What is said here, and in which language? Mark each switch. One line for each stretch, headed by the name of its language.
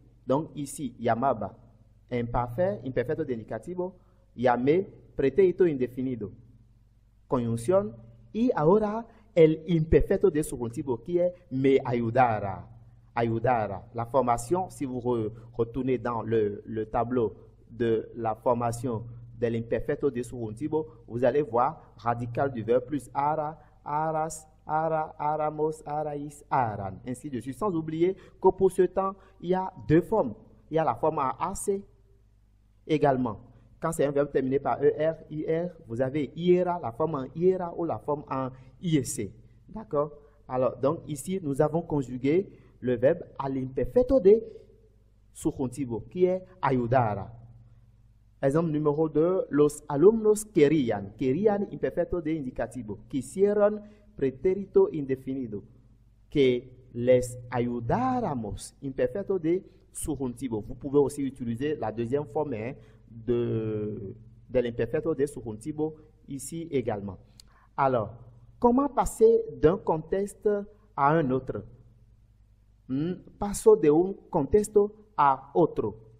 Spanish: Donc ici, llamaba, imparfait, imperfecto de indicativo, llamé, pretérito indefinido, conjunción, y ahora el imperfecto de subjonctivo qui est me ayudara. Ayudara.
French: La formation, si vous retournez dans le tableau de la formation de l'imperfecto de subjuntivo, vous allez voir radical du verbe plus ara, aras, ara, aramos, araïs, aran, ainsi de suite. Sans oublier que pour ce temps, il y a deux formes. Il y a la forme AC également. Quand c'est un verbe terminé par ER, IR, vous avez IERA, la forme en IERA ou la forme en IEC. D'accord? Alors, donc ici, nous avons conjugué le verbe à l'imperfetto de subjuntivo, qui est ayudara. Exemple numéro 2,
Spanish: los alumnos querían. Querían imperfecto de indicativo. Quisieron pretérito indefinido. Que les ayudáramos imperfecto de subjuntivo.
French: Vous pouvez aussi utiliser la deuxième forme hein, de l'imperfecto de subjuntivo ici également. Alors, comment passer d'un contexte à un autre?
Spanish: Paso de un contexto a otro.